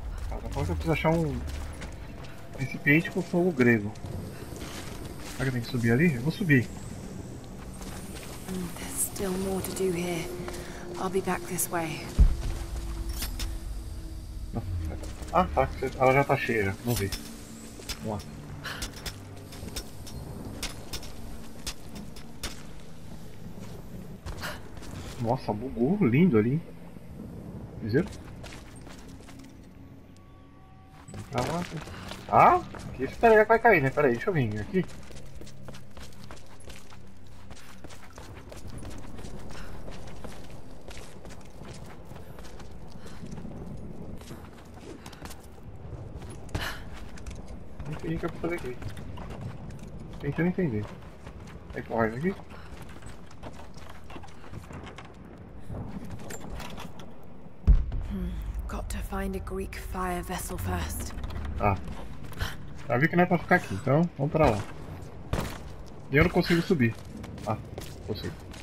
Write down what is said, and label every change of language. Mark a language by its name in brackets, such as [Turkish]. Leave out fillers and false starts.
[Portuguese] Agora eu preciso achar um recipiente com fogo grego. Será que tem que subir ali? Eu vou subir. [English] There's still more to do here. I'll be back this way. [Portuguese] Ah, tá. Ela já tá cheia. Vamos ver. Vamos lá. Nossa, bugou lindo ali. Viram? Ah, aqui esse telhado vai cair, né? Pera aí, deixa eu vir aqui. O que eu vou fazer aqui? Tentando entender. É correr aqui? [English] Got to find a Greek fire vessel first. Ah. [Portuguese] Já vi que não é pra ficar aqui, então vamos pra lá. E eu não consigo subir. Ah, consigo.